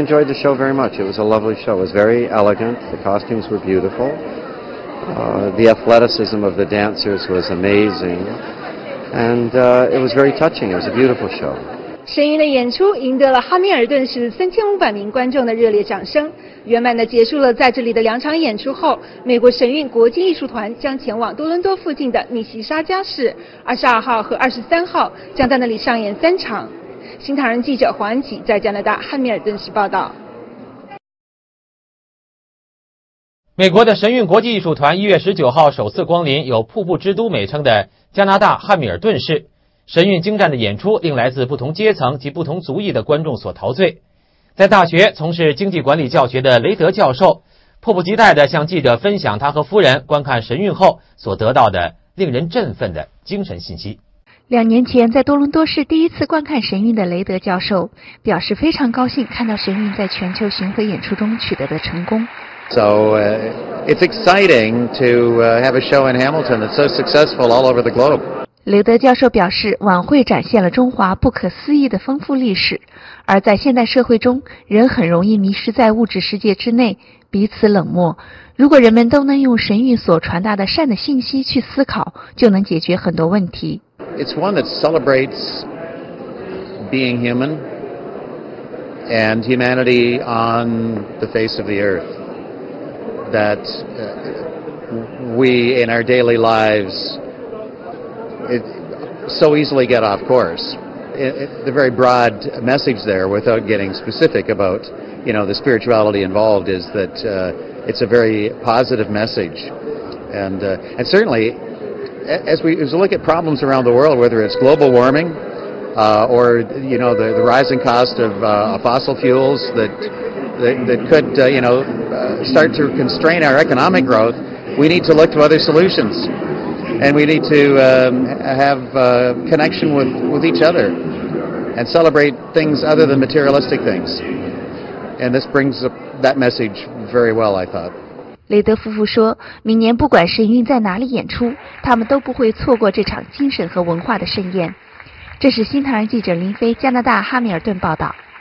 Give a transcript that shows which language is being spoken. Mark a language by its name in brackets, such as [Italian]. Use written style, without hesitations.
[English] I enjoyed the show very much. It was a lovely show. It was very elegant. The costumes were beautiful. The athleticism of the dancers was amazing, and it was very touching. It was a beautiful show. [Chinese] 神韵的演出赢得了哈密尔顿市3500名观众的热烈掌声，圆满地结束了在这里的两场演出后，美国神韵国际艺术团将前往多伦多附近的密西沙加市，22号和23号将在那里上演三场。新唐人记者黄安琪在加拿大哈密尔顿市报道。美国的神韵国际艺术团1月19号首次光临有瀑布之都美称的加拿大汉密尔顿市，神韵精湛的演出令来自不同阶层及不同族裔的观众所陶醉。在大学从事经济管理教学的雷德教授迫不及待地向记者分享他和夫人观看神韵后所得到的令人振奋的精神信息。两年前在多伦多市第一次观看神韵的雷德教授表示非常高兴看到神韵在全球巡回演出中取得的成功。 [English] So it's exciting to have a show in Hamilton that's so successful all over the globe. [Chinese] 刘德教授表示，晚会展现了中华不可思议的丰富历史，而在现代社会中，人很容易迷失在物质世界之内，彼此冷漠。如果人们都能用神韵所传达的善的信息去思考，就能解决很多问题。 [English] It's one that celebrates being human and humanity on the face of the earth. That we in our daily lives it so easily get off course. The very broad message there, without getting specific about, you know, the spirituality involved, is that it's a very positive message. And certainly, as we look at problems around the world, whether it's global warming or, you know, the rising cost of fossil fuels that could, you know, start to constrain our economic growth, we need to look to other solutions. And we need to have a connection with each other and celebrate things other than materialistic things. And this brings that message very well, I thought. [Chinese] 雷德夫妇说，明年不管神韵在哪里演出，他们都不会错过这场精神和文化的盛宴。这是新唐人记者林飞，加拿大哈密尔顿报道。